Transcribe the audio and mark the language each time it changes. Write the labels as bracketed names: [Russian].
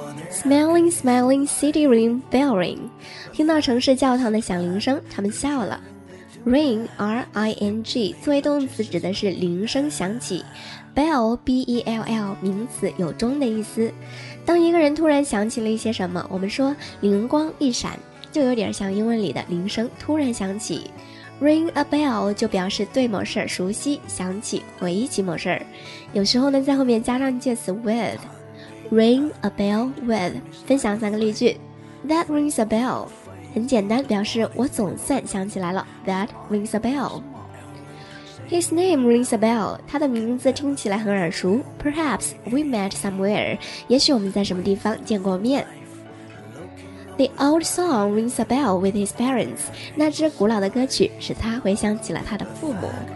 [English] Smiling, smiling, city ring, bell ring. [Chinese] 听到城市教堂的响铃声，他们笑了。Ring, R-I-N-G, 作为动词指的是铃声响起。 Bell, B-E-L-L, 名词有钟的意思。当一个人突然想起了一些什么，我们说灵光一闪，就有点像英文里的铃声突然响起。 Ring a bell 就表示对某事熟悉，想起，回忆起某事。有时候呢，在后面加上介词 with。 Ring a bell with, 分享三个例句。 [English] That rings a bell. [Chinese] 很简单，表示我总算想起来了。 [English] That rings a bell. His name rings a bell. [Chinese] 他的名字听起来很耳熟。 [English] Perhaps we met somewhere. [Chinese] 也许我们在什么地方见过面。 [English] The old song rings a bell with his parents. [Chinese] 那支古老的歌曲使他回想起了他的父母。